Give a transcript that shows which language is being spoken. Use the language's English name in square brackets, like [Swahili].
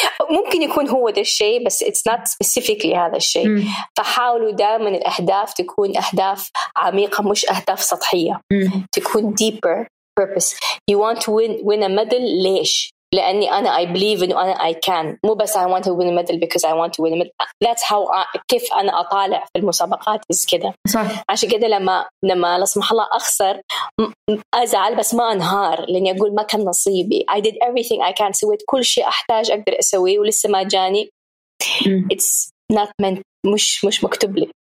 [Arabic] ممكن يكون هو ده الشيء بس [English] it's not specifically [Arabic] هذا الشيء. فحاولوا دائما الأهداف تكون أهداف عميقة مش أهداف سطحية. [English] تكون deeper purpose. You want to win a medal [Arabic] ليش؟ لأني أنا [English] I believe and أنا I can. [Arabic] مو بس [English] I want to win a medal because I want to win a medal. That's how [Arabic] كيف أنا أطالع في المسابقات is كده. صح. عشان كده لما لا سمح الله أخسر أزعل بس ما أنهار لأني أقول ما كان نصيبي. [English] I did everything I can. [Arabic] سويت كل شيء أحتاج أقدر أسويه ولسه ما جاني. [English] It's not meant. [Arabic] مش مكتوب لي.